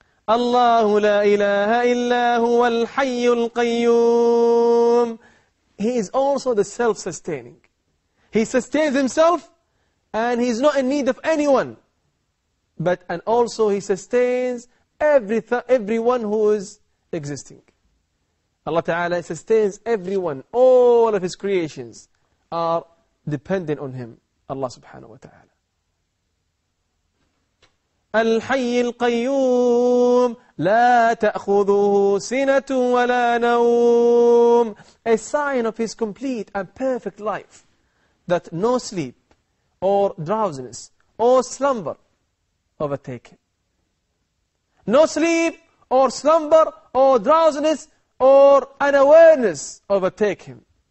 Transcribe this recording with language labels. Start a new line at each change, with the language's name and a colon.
Arabic: الله لا إله إلا هو الحي القيوم.
English: He is also the self-sustaining. He sustains himself and he is not in need of anyone. But and also he sustains everyone who is existing. Allah Ta'ala sustains everyone. All of his creations are dependent on him. Allah Subhanahu Wa Ta'ala.
Arabic: الحي القيوم لا تأخذه سنة ولا نوم.
English: A sign of his complete and perfect life that no sleep or drowsiness or slumber overtake him. No sleep or slumber or drowsiness or unawareness overtake him.